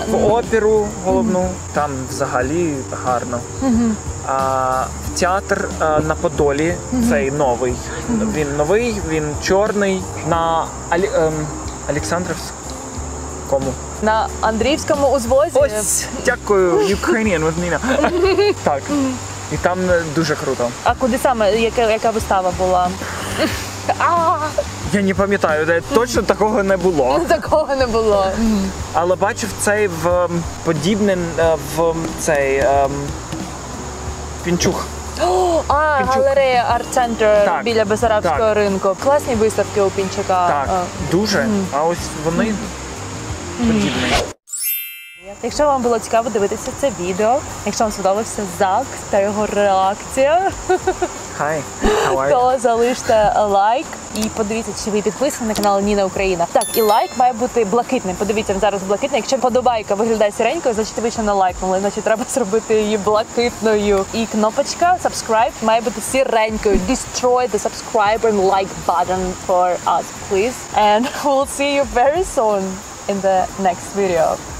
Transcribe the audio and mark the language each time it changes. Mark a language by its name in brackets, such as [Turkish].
[Ukrainian] В оперу головну, там взагалі гарно. А, в театр на Подолі, цей новий. Він новий, він чорний. На Олександрівському. На Андріївському узвозі. Ось, дякую, Ukrainian with Nina. Так, і там дуже круто. А куди саме, яка вистава була? Я не пам'ятаю, точно такого не було. Такого не було. Але бачив цей в подібне в цей Пінчух. А, Пінчук. Галерея Art Center так, біля Бесарабського ринку. Класні виставки у Пінчука. Так, дуже. А ось вони подібні. Якщо вам було цікаво дивитися це відео, якщо вам сподобався Зак та його реакція, [English] Hi. How are you? [Ukrainian] То залиште лайк і подивіться, чи ви підписані на канал Ніна Україна. Так, і лайк має бути блакитним. Подивіться, зараз блакитний. Якщо вподобайка виглядає сіренькою, значить ви ще не лайкнули, значить треба зробити її блакитною. І кнопочка subscribe має бути сіренькою. [English] Destroy the subscribe and like button for us, please. And we'll see you very soon in the next video.